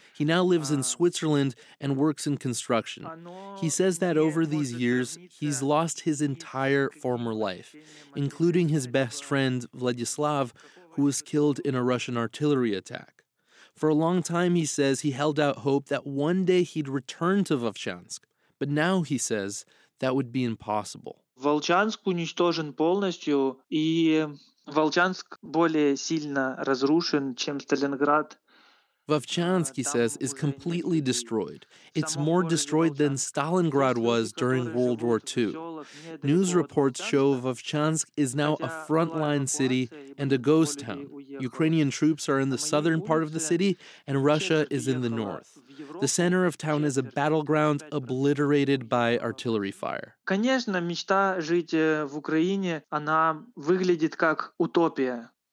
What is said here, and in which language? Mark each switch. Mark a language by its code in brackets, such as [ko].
[en] He now lives in Switzerland and works in construction. He says that over these years, he's lost his entire former life, including his best friend, Vladislav, who was killed in a Russian artillery attack. For a long time, he says, he held out hope that one day he'd return to Vovchansk. But now, he says, that would be impossible. [ru] Волчанск уничтожен полностью, и Волчанск более сильно разрушен, чем Сталинград. [en] Vovchansk, he says, is completely destroyed. It's more destroyed than Stalingrad was during World War II. News reports show Vovchansk is now a frontline city and a ghost town. Ukrainian troops are in the southern part of the city, and Russia is in the north. The center of town is a battleground obliterated by artillery fire. [ru] Конечно, мечта жить в Украине, она выглядит как утопия.